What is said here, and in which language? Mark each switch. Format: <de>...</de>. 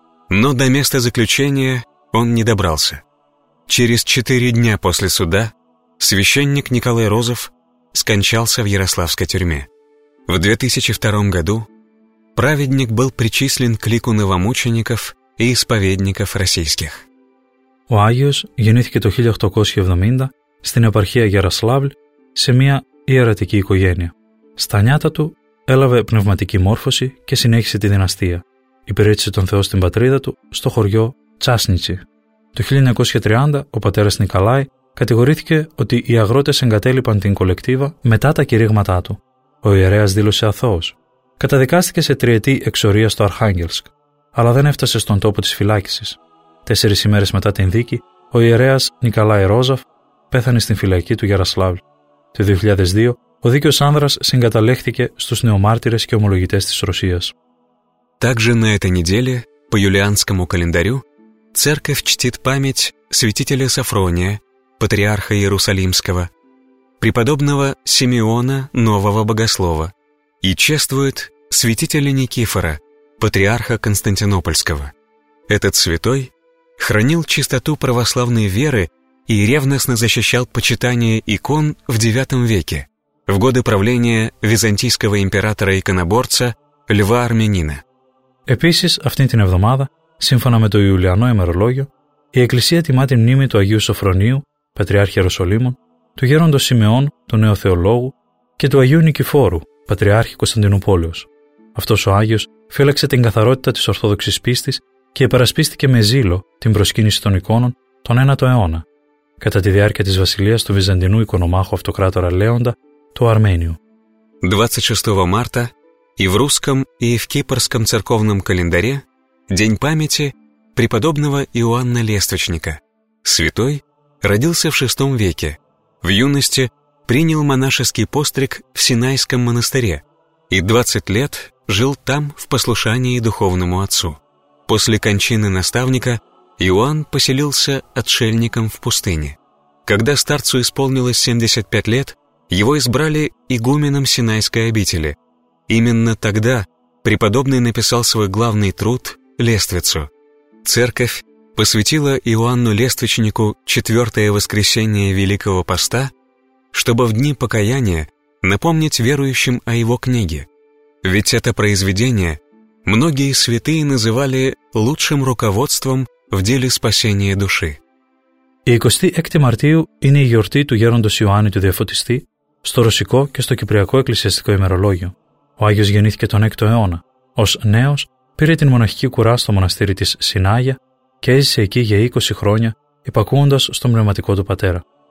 <ru>Но до места заключения он не добрался. Через 4 дня после суда священник Николай Розов скончался в ярославской тюрьме. В 2002 году праведник был причислен к лику новомучеников и исповедников российских.</ru> <el>Ο Άγιος γεννήθηκε το 1870 στην επαρχία Γιαροσλάβλη σε μια ιερατική οικογένεια. Στα νιάτα του έλαβε πνευματική μόρφωση και συνέχισε τη δυναστεία. Υπηρέτησε τον Θεό στην πατρίδα του, στο χωριό Τσάσνιτσι. Το 1930 ο πατέρας Νικολάη κατηγορήθηκε ότι οι αγρότες εγκατέλειπαν την κολεκτίβα μετά τα κηρύγματά του. Ο ιερέας δήλωσε αθώος. Καταδικάστηκε σε 3 ετή εξορία στο Αρχάγγελσκ, αλλά δεν έφτασε στον τόπο της φυλάκισης. 4 ημέρες μετά την δίκη, ο ιερέας Νικολάη Ρόζαφ πέθανε στην φυλακή του Γιαροσλάβλη. Το 2002, ο δίκαιος άνδρας συγκαταλέχθηκε στους νεομάρτυρες και ομολογητές της Ρωσίας.</el> <ru>Также на этой неделе, по юлианскому календарю, церковь чтит память святителя Сафрония, патриарха Иерусалимского, преподобного Симеона Нового Богослова и чествует святителя Никифора, патриарха Константинопольского. Этот святой хранил чистоту православной веры и ревностно защищал почитание икон в IX веке, в годы правления византийского императора-иконоборца Льва Армянина.</ru> <el>Επίσης, αυτήν την εβδομάδα, σύμφωνα με το Ιουλιανό ημερολόγιο, η Εκκλησία τιμά την μνήμη του Αγίου Σοφρονίου, Πατριάρχη Ιεροσολύμων, του Γέροντος Σιμεών, του Νέου Θεολόγου και του Αγίου Νικηφόρου, Πατριάρχη Κωνσταντινούπολεως. Αυτός ο Άγιος φύλαξε την καθαρότητα της Ορθόδοξης πίστης και υπερασπίστηκε με ζήλο την προσκύνηση των εικόνων τον 9ο αιώνα, κατά τη διάρκεια της βασιλείας του Βυζαντινού Οικονομάχου Αυτοκράτορα Λέοντα, του Αρμένιου.</el> <ru>26 Μάρτα, и в русском, и в кипрском церковном календаре день памяти преподобного Иоанна Лествочника. Святой родился в 6 веке. В юности принял монашеский постриг в Синайском монастыре и 20 лет жил там в послушании духовному отцу. После кончины наставника Иоанн поселился отшельником в пустыне. Когда старцу исполнилось 75 лет, его избрали игуменом Синайской обители. Именно тогда преподобный написал свой главный труд «Лествицу». Церковь посвятила Иоанну Лествочнику 4 воскресенье Великого Поста, чтобы в дни покаяния напомнить верующим о его книге. Ведь это произведение многие святые называли лучшим руководством в деле спасения души.</ru> <el>26 Мартию – είναι η γιορτή του Γέροντος Ιωάννη του Διαφωτιστή στο ρωσικό και στο κυπριακό εκκλησιαστικό ημερολόγιο. Ο Άγιος γεννήθηκε τον 6ο αιώνα. Ως νέος πήρε την μοναχική κουρά στο μοναστήρι της Συνάγια και έζησε εκεί για 20 χρόνια υπακούοντας στον πνευματικό του πατέρα.</el>